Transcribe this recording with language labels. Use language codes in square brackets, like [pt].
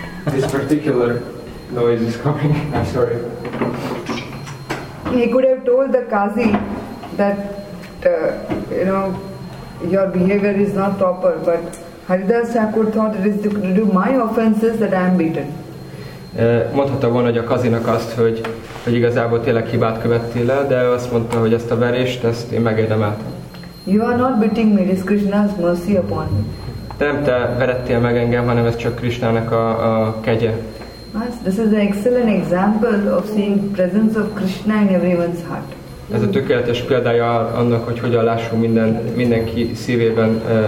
[en] This particular noise is coming. I'm sorry. He could have told the Qazi that, you know, your behavior is not proper, but Haridas Thakur thought it is due to my offenses that I am beaten. [hu] Mondhatta volna, hogy a kazinak azt, hogy igazából tényleg hibát követtél el, de azt mondta, hogy ezt a verést, ezt én megérdemeltem. [en] You are not beating me, it's Krishna's mercy upon me. [hu] De nem te verettél meg engem, hanem ez csak Krishnának a kegye. [en] This is an excellent example of seeing presence of Krishna in everyone's heart. [hu] Ez a tökéletes példája annak, hogy hogyan lássunk mindenki szívében.